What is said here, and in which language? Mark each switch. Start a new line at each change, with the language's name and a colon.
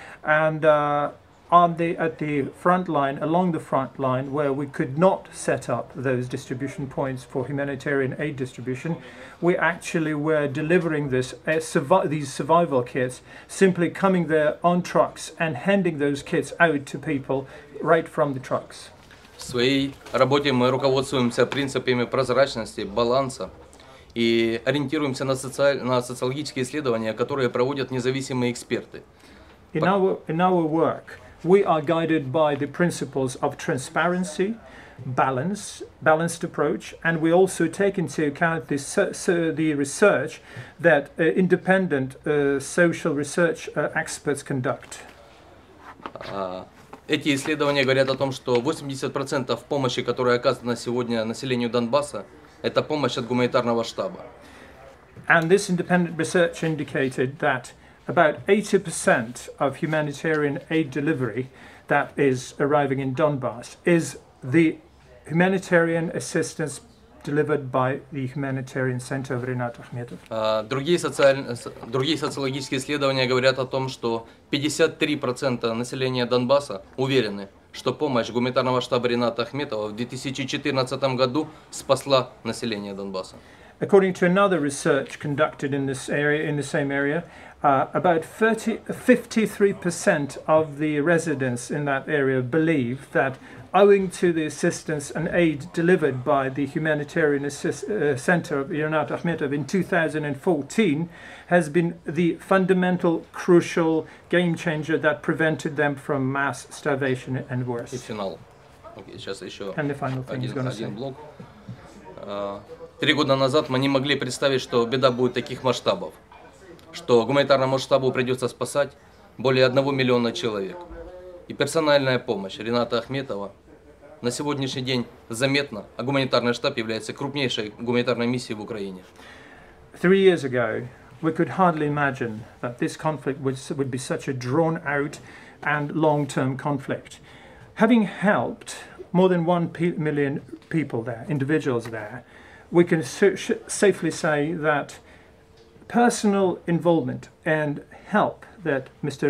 English: And at the front line, along the front line, where we could not set up those distribution points for humanitarian aid distribution, we actually were delivering these survival kits, simply coming there on trucks and handing those kits out to people right from the trucks.
Russian: В своей работе мы руководствуемся принципами прозрачности, баланса и ориентируемся на социологические исследования, которые проводят независимые эксперты.
English: In our work, We are guided by the principles of transparency, balanced approach, and we also take into account the research that independent social research experts conduct.
Russian: Эти исследования говорят о том, что 80% помощи, которая оказана сегодня населению Донбасса, это помощь от гуманитарного штаба.
English: And this independent research indicated that about 80% of humanitarian aid delivery that is arriving in Donbass is the humanitarian assistance delivered by the humanitarian center of Rinat Akhmetov.
Russian: Другие социологические исследования говорят о том, что 53% населения Донбасса уверены, что помощь гуманитарного штаба Рината Ахметова в 2014 году спасла население Донбасса.
English: According to another research conducted in this area, in the same area, about 53% of the residents in that area believe that owing to the assistance and aid delivered by the humanitarian center of Rinat Akhmetov in 2014 has been the fundamental, crucial game changer that prevented them from mass starvation and worse.
Russian: И финал.
English: And the final thing is going to say.
Russian: Три года назад мы не могли представить, что беда будет таких масштабов, что гуманитарному штабу придется спасать более 1 миллиона человек. И персональная помощь Рината Ахметова на сегодняшний день заметна, а гуманитарный штаб является крупнейшей гуманитарной миссией в Украине.
English: Three years ago, we could hardly imagine that this conflict would be such a drawn-out and long-term conflict. Having helped more than 1 million people there, individuals there, we can safely say that personal involvement and help that Mr.